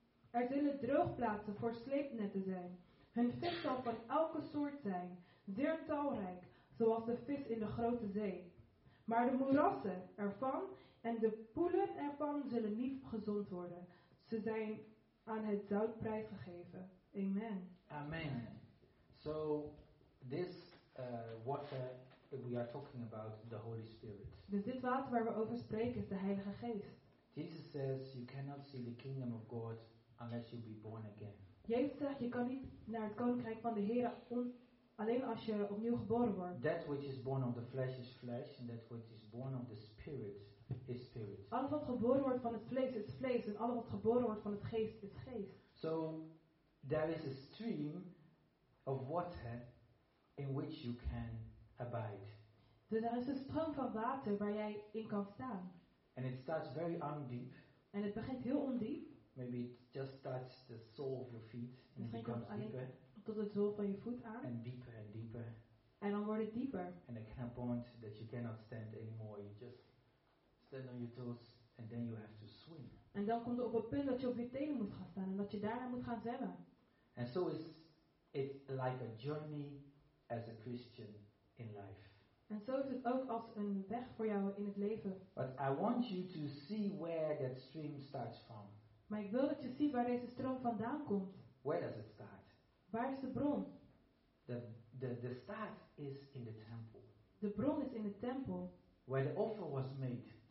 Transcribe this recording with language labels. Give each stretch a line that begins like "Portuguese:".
Dutch: Er zullen droogplaatsen voor sleepnetten zijn. Hun vis zal van elke soort zijn, zeer talrijk, zoals de vis in de grote zee. Maar de moerassen ervan en de poelen ervan zullen niet gezond worden. Ze zijn aan het zout prijsgegeven. Amen. Amen.
English: So, this water that we are talking about, the Holy Spirit.
Dutch: Dus dit water waar we over spreken is de Heilige Geest.
English: Jesus says, you cannot see the kingdom of God unless you be born again.
Dutch: Jezus zegt, je kan niet naar het koninkrijk van de Heer alleen als je opnieuw geboren wordt.
English: That which is born of the flesh is flesh, and that which is born of the Spirit.
Dutch: Alles wat geboren wordt van het vlees is vlees en alles wat geboren wordt van het geest is geest.
English: So there is a stream of water in which you can abide.
Dutch: Dus er is een stroom van water waar jij in kan staan.
English: And it starts very undeep.
Dutch: En het begint heel ondiep.
English: Maybe it just starts the sole of your feet and it becomes deeper.
Dutch: Tot het zool van je voet aan.
English: And deeper and deeper.
Dutch: En dan wordt het dieper.
English: And at a point that you cannot stand anymore, you just stand on your toes and then you have to swim.
Dutch: En dan komt er op het punt dat je op je tenen moet gaan staan en dat je daarna moet gaan zwemmen.
English: And so is it like a journey as a Christian in life.
Dutch: En zo is het ook als een weg voor jou in het leven.
English: But I want you to see where that stream starts from.
Dutch: Maar ik wil dat je ziet waar deze stroom vandaan komt.
English: Where does it start?
Dutch: Waar is de bron?
English: The start is in the temple.
Dutch: De bron is in de tempel.
English: Where the offer was made.